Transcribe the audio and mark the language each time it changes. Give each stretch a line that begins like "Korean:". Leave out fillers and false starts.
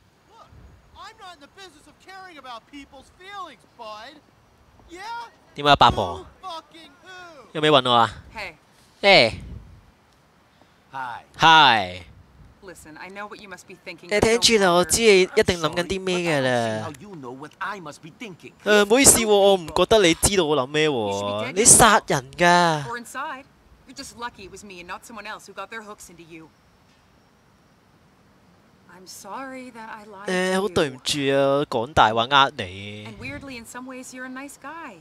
English: Look, I'm not in the business of caring about people's feelings, bud. Yeah.
Cantonese: 点啊，八婆？有咩揾我啊
English: ？Hey. Hey. Hi. Hi. Listen, I know what you must be thinking.
Cantonese: 你聽住啦，我知你一定諗緊啲咩嘅啦。唔好意思喎，我唔覺得你知道我諗咩喎。你殺人㗎。
English: You're inside. You're just lucky it was me and not someone else who got their hooks into you. I'm sorry that I lied.
Cantonese: 好對唔住啊，講大話呃你。
English: And weirdly, in some ways, you're a nice guy.